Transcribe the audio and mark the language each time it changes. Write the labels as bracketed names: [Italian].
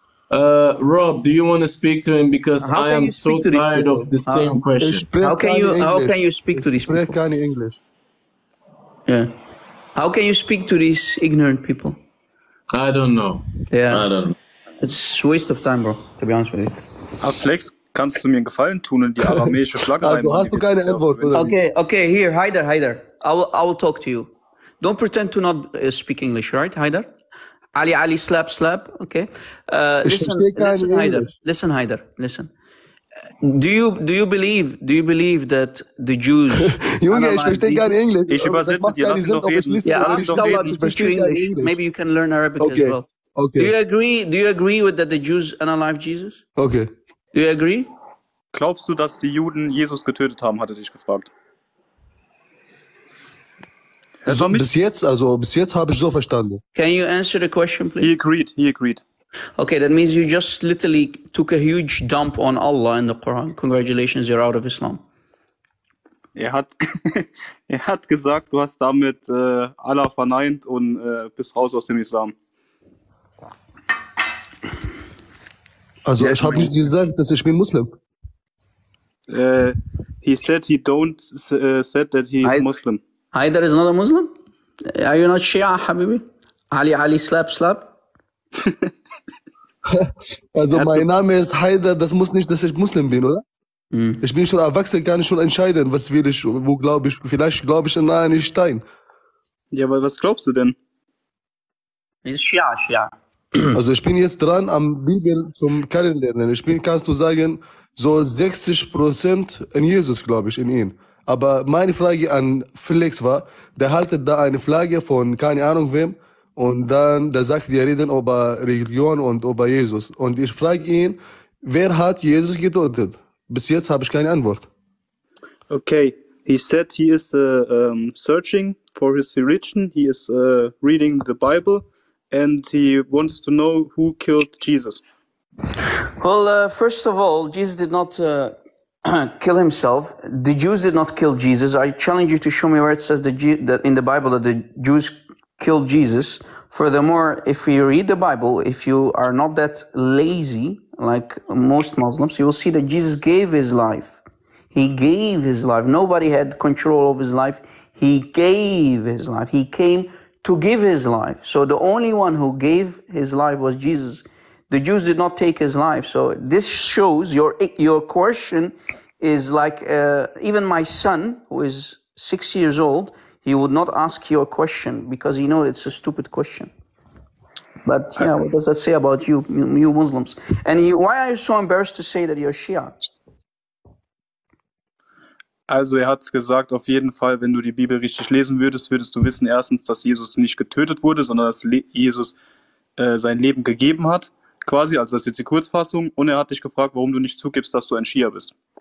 [English] Rob, do you want to speak to him? Because I am so tired of the same question. How can you speak to these people? [German] Ich spreche kein Englisch. [English] Yeah. How can you speak to these ignorant people? I don't know. Yeah. I don't know. It's a waste of time, bro, to be honest with you. Flex. [German] Kannst du mir einen Gefallen tun und die aramäische Flagge also einbauen? Hast du keine Antwort? [English] Okay, here, Haider. I will talk to you. Don't pretend to not speak English, right, Haider? Ali, slap. Okay. Listen, Haider. Do you believe that the Jews? [German] Junge, ich verstehe kein Englisch. Ich übersetze dir, lass ihn doch reden. [English] Yeah, I'll teach you English. Maybe you can learn Arabic okay. as well. Okay. Do you agree with that the Jews unalive Jesus? Okay. Do you agree? [German] Glaubst du, dass die Juden Jesus getötet haben, hat er dich gefragt. Also bis jetzt habe ich so verstanden. [English] Can you answer the question, please? He agreed. Okay, that means you just literally took a huge dump on Allah in the Quran. Congratulations, you're out of Islam. [German] Er hat gesagt, du hast damit Allah verneint und bist raus aus dem Islam. Also ich habe nicht gesagt, dass ich bin Muslim. [English] He said he don't said that he is Muslim. Haider is not a Muslim? Are you not Shia, Habibi? Ali, slap. [German] Also mein Name ist Haider, das muss nicht, dass ich Muslim bin, oder? Mm. Ich bin schon erwachsen, kann ich schon entscheiden, was will ich, wo glaube ich, vielleicht glaube ich an einen Stein. Ja, aber was glaubst du denn? Ist Shia. Also ich bin jetzt dran am Bibel zum Kennenlernen. Ich bin, kannst du sagen, so 60% in Jesus, glaube ich, in ihn. Aber meine Frage an Felix war, der haltet da eine Flagge von keine Ahnung wem und dann der sagt, wir reden über Religion und über Jesus. Und ich frage ihn, wer hat Jesus getötet? Bis jetzt habe ich keine Antwort. [English] Okay, he said he is searching for his religion, he is reading the Bible and he wants to know who killed Jesus. Well, first of all, Jesus did not kill himself. The Jews did not kill Jesus. I challenge you to show me where it says that in the Bible that the Jews killed Jesus. Furthermore, if you read the Bible, if you are not that lazy, like most Muslims, you will see that Jesus gave his life. He gave his life. Nobody had control of his life. He gave his life. He came to give his life. So the only one who gave his life was Jesus. The Jews did not take his life. So this shows your question is like, even my son, who is 6 years old, he would not ask you a question because he knows it's a stupid question. But yeah, what does that say about you Muslims? And why are you so embarrassed to say that you're Shia? [German] Also er hat gesagt, auf jeden Fall, wenn du die Bibel richtig lesen würdest, würdest du wissen, erstens, dass Jesus nicht getötet wurde, sondern dass Jesus sein Leben gegeben hat. Quasi, also das ist jetzt die Kurzfassung. Und er hat dich gefragt, warum du nicht zugibst, dass du ein Shia bist.